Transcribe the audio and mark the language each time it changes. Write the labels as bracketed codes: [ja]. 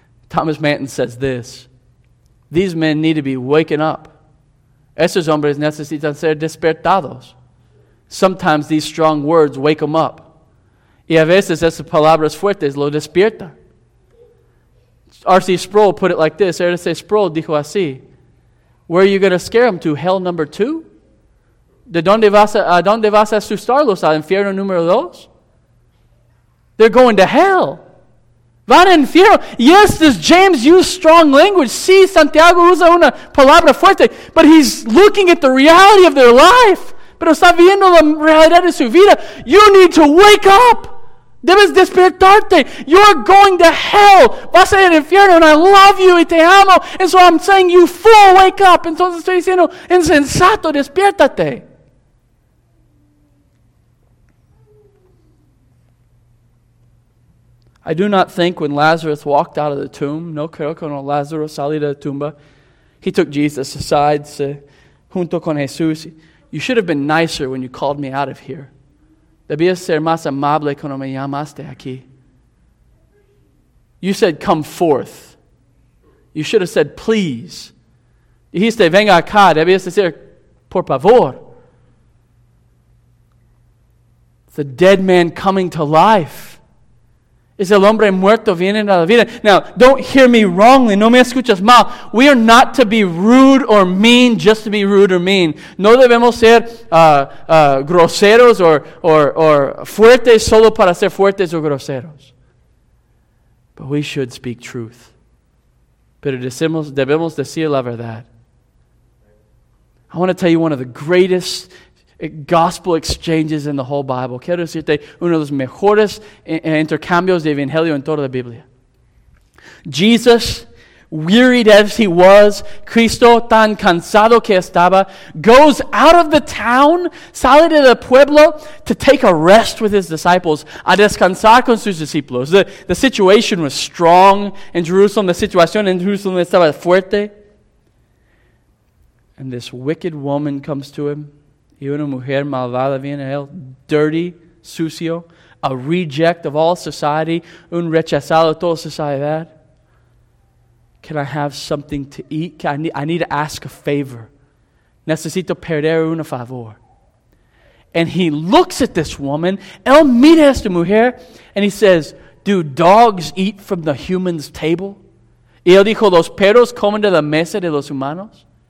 [en] Thomas Manton says this. These men need to be waken up. [es] Esos hombres necesitan ser despertados. [en] Sometimes these strong words wake them up. [es] Y a veces esas palabras fuertes lo despierta. [en] R.C. Sproul put it like this. [es] R.C. Sproul dijo así. [en] Where are you going to scare them to? Hell number two? [es] ¿De dónde vas a, asustarlos? ¿Al infierno número dos? [en] They're going to hell. [es] Van al infierno. [en] Yes, does James use strong language? [es] Sí, Santiago usa una palabra fuerte. [en] But he's looking at the reality of their life. [es] Pero está viendo la realidad de su vida. [en] You need to wake up. [es] Debes despertarte. [en] You're going to hell. [es] Vas a ir al infierno. [en] And I love you [es] y te amo. [en] And so I'm saying, you fool, wake up. [es] Entonces estoy diciendo, insensato, despiértate. [en] I do not think when Lazarus walked out of the tomb, [es] no creo que Lázaro salió de la tumba, [en] he took Jesus aside, [es] junto con Jesús. [en] You should have been nicer when you called me out of here. [es] Debías ser más amable cuando me llamaste aquí. [en] You said, come forth. You should have said, please. [es] Dijiste, venga acá. Debías decir, por favor. [en] It's a dead man coming to life. [es] Es el hombre muerto viniendo a la vida. [en] Now, don't hear me wrongly. [es] No me escuchas mal. [en] We are not to be rude or mean just to be rude or mean. [es] No debemos ser groseros or fuertes solo para ser fuertes o groseros. [en] But we should speak truth. [es] Pero debemos decir la verdad. [en] I want to tell you one of the greatest gospel exchanges in the whole Bible. [es] Quiero decirte uno de los mejores intercambios de evangelio en toda la Biblia. [en] Jesus, wearied as he was, [es] Cristo tan cansado que estaba, [en] goes out of the town, [es] sale de el pueblo, [en] to take a rest with his disciples, [es] a descansar con sus discípulos. [en] The situation was strong in Jerusalem. The situation in Jerusalem [es] estaba fuerte. [en] And this wicked woman comes to him. [es] Y una mujer malvada viene a él, [en] dirty, [es] sucio, [en] a reject of all society, [es] un rechazado de toda sociedad. [en] Can I have something to eat? I need to ask a favor. [es] Necesito perder un favor. [en] And he looks at this woman, [es] él mira a esta mujer, [en] and he says, do dogs eat from the human's table? [es] Y él dijo, los perros comen de la mesa de los humanos.